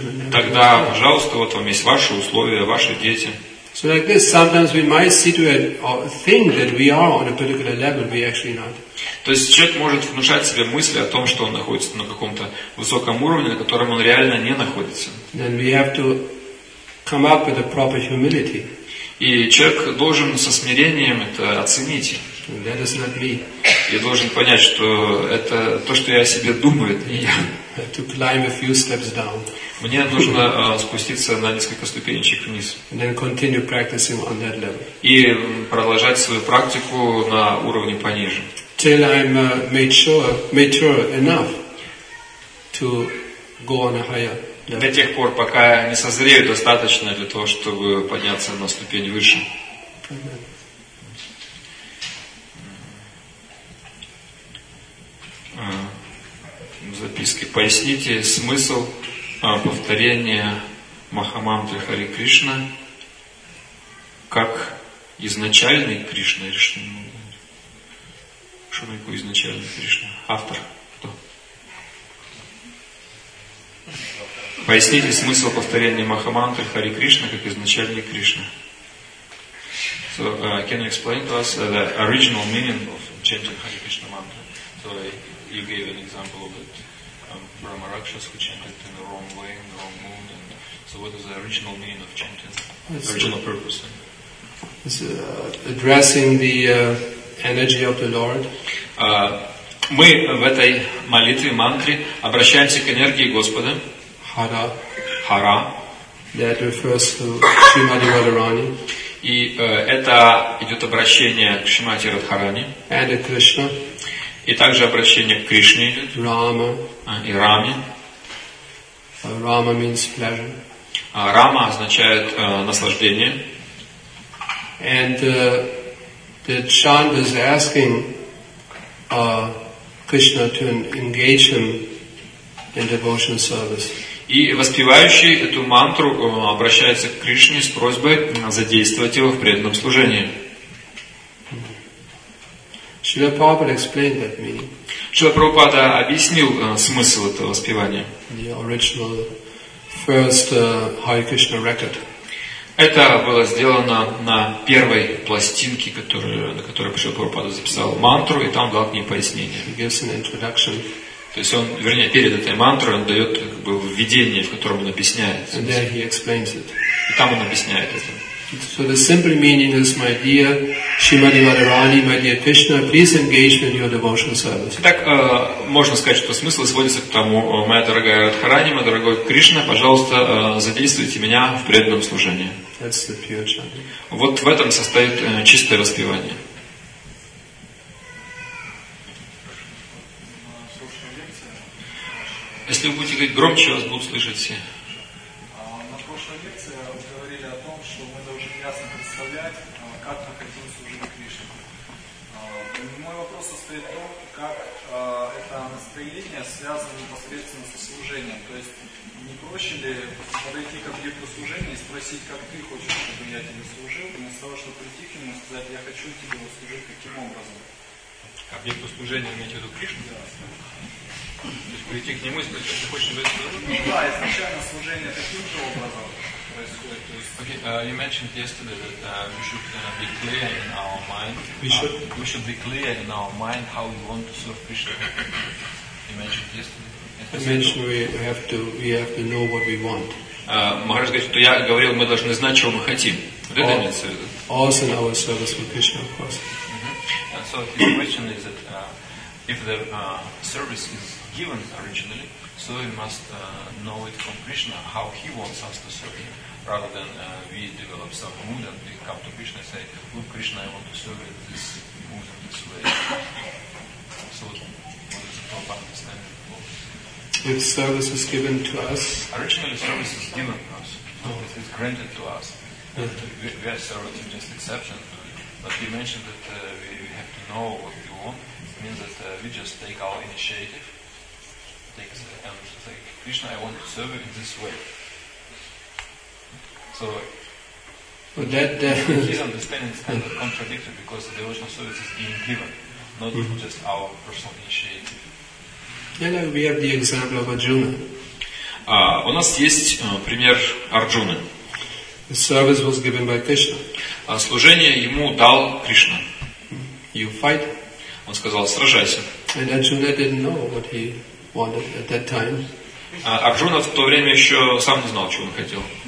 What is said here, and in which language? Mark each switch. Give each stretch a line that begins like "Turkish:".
Russian: Тогда, пожалуйста, вот вам есть ваши условия, ваши дети.
English: So like this, sometimes we might situate or think that we are on a particular level, we actually not.
Russian: То есть человек может внушать себе мысли о том, что он находится на каком-то высоком уровне, на котором он реально не находится.
English: Then we have to come up with a proper humility.
Russian: И человек должен со смирением это оценить.
English: That is not me.
Russian: Я должен понять, что это то, что я о себе думаю, это не я.
English: To climb a few steps down.
Russian: Мне нужно спуститься на несколько ступенечек вниз.
English: And then continue practicing on that level.
Russian: И продолжать свою практику на уровне пониже.
English: Till I'm mature enough to go on a higher level.
Russian: До тех пор, пока я не созрею достаточно для того, чтобы подняться на ступень выше. Записки. Поясните смысл повторения Махамантры Хари Кришна как изначальный Кришна. Что такое изначальный Кришна? Автор кто? Поясните смысл повторения Махамантры Хари Кришна как изначальной Кришны.
English: So, can you explain to us the original meaning of chanting Hari Krishna mantra? So, you gave an example of it, Brahma Rakshas who chanted in the wrong way, in the wrong mood. And so, what is the original meaning of chanting? It's original purpose. It's addressing the energy of the Lord.
Russian: Мы в этой молитве мантре обращаемся к энергии Господа.
English: Hara. Hara. That refers to Srimati Radharani.
Russian: И это идет обращение к Шримати Радхарани.
English: And to Krishna.
Russian: И также обращение к Кришне идет.
English: Rama.
Russian: И Раме.
English: Rama means pleasure.
Russian: Рама означает наслаждение.
English: And the chant is asking Krishna to engage him in devotional service.
Russian: И воспевающий эту мантру обращается к Кришне с просьбой задействовать его в преданном служении.
English: Шрила Прабхупада explained that meaning.
Russian: Шрила Прабхупада объяснил смысл этого воспевания.
English: The original first Hare Krishna record.
Russian: Это было сделано на первой пластинке, на которой Шрила Прабхупада записал мантру, и там дал к ней пояснение.
English: He gives an introduction.
Russian: То есть он, вернее, перед этой мантрой он дает как бы введение, в котором он объясняет.
English: And there he explains it.
Russian: И там он объясняет это.
English: So the simple meaning is, my dear Srimati Radharani, my dear Krishna, please engage in your devotional service.
Russian: Так можно сказать, что смысл сводится к тому, моя дорогая Радхарани, мой дорогой Кришна, пожалуйста, задействуйте меня в преданном служении.
English: That's the pure chanting.
Russian: Вот в этом состоит чистое воспевание. Если вы будете говорить громче, вас будут слышать все. На прошлой лекции вы говорили о том, что мы должны ясно представлять, как мы хотим служить Кришне. Мой вопрос состоит в том, как это настроение связано непосредственно со служением. То есть не проще ли подойти к объекту служения и спросить, как ты хочешь, чтобы я тебе служил, вместо того, чтобы прийти к нему и сказать, я хочу тебе служить каким образом? К объекту служения иметь в виду Кришну? Да. То есть прийти к нему и сказать, что ты хочешь тебя служить? Ну да, изначально служение таким же образом происходит. То есть...
English: Okay, you mentioned yesterday that we should be clear in our mind. We should be clear in our mind how we want to serve Krishna. You mentioned yesterday. You mentioned we have to know what we want.
Russian: Махарадж говорит, что я говорил, мы должны знать, чего мы хотим. Вот это имеется в виду.
English: Also in our service with Krishna, of course. So his question is that if the service is given originally, so we must know it from Krishna, how he wants us to serve him, rather than we develop some mood and we come to Krishna and say, look, Krishna, I want to serve in this mood and this way. So what is the proper understanding of both? If service is given to us? Originally service is given to us. It is granted to us. Mm-hmm. We are servants, we're just exceptions. But you mentioned that we have to know what we want. It means that we just take our initiative, and say, Krishna, I want to serve you in this way. So, well, that his understanding is kind of contradictory because the devotional service is being given, not just our personal initiative. Yeah, no, we have the example of Arjuna.
Russian: У нас есть пример Арджуны.
English: The service was given by Krishna.
Russian: Служение ему дал Кришна.
English: You fight.
Russian: Он сказал, сражайся.
English: And Arjuna didn't know what he wanted at that time.
Russian: Арджуна в то время еще сам не знал, чего он хотел.